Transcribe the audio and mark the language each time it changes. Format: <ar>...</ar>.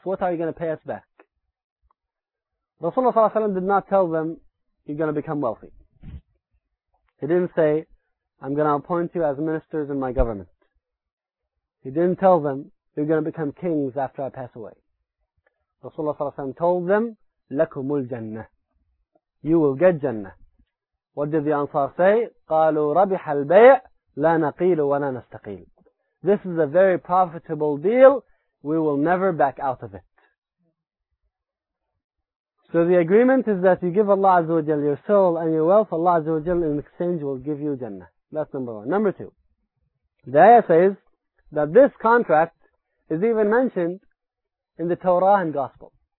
<en>What are you going to pay us back? Rasulullah SAW did not tell them, "You're going to become wealthy." He didn't say, "I'm going to appoint you as ministers in my government." He didn't tell them, "You're going to become kings after I pass away." Rasulullah SAW told them, "Lakumul Jannah." You will get Jannah. What did the Ansar say?</en> <ar>قالوا ربح البيع لا نقيل ولا نستقيل.</ar> <en>This is a very profitable deal. We will never back out of it. So the agreement is that you give Allah Azza wa Jal your soul and your wealth, Allah Azza wa Jal in exchange will give you Jannah. That's number one. Number two, the ayah says that this contract is even mentioned in the Torah and Gospel.</en>